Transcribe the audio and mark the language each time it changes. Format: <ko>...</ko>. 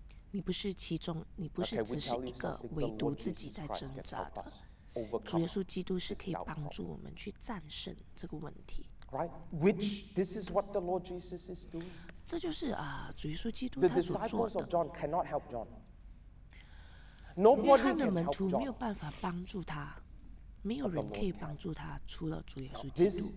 <zh>你不是其中，你不是只是一个唯独自己在挣扎的。主耶稣基督是可以帮助我们去战胜这个问题。</zh> <en>Right, which this is what the Lord Jesus is doing.</en> <zh>这就是啊，主耶稣基督他所做的。</zh> <en>The disciples of John cannot help John. Nobody can help John.</en> <zh>没有办法帮助他，没有人可以帮助他，除了主耶稣基督。</zh>